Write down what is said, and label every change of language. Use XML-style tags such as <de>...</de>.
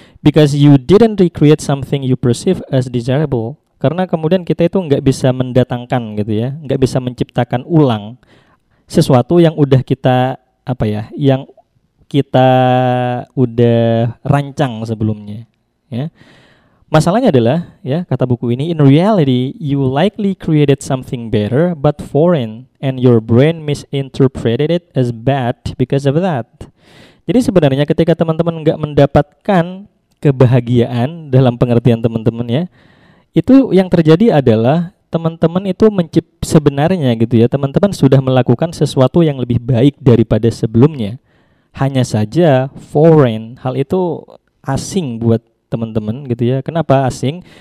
<en>Because you didn't recreate something you perceive as desirable.</en> <id>Karena kemudian kita itu nggak bisa mendatangkan gitu ya, nggak bisa menciptakan ulang sesuatu yang udah kita apa ya, yang kita udah rancang sebelumnya. Ya. Masalahnya adalah, ya kata buku ini,</id> <en>in reality you likely created something better but foreign and your brain misinterpreted it as bad because of that.</en> <id>Jadi sebenarnya ketika teman-teman nggak mendapatkan kebahagiaan dalam pengertian teman-teman ya, itu yang terjadi adalah teman-teman itu sebenarnya gitu ya, teman-teman sudah melakukan sesuatu yang lebih baik daripada sebelumnya. Hanya saja foreign, hal itu asing buat teman-teman gitu ya. Kenapa asing?</id>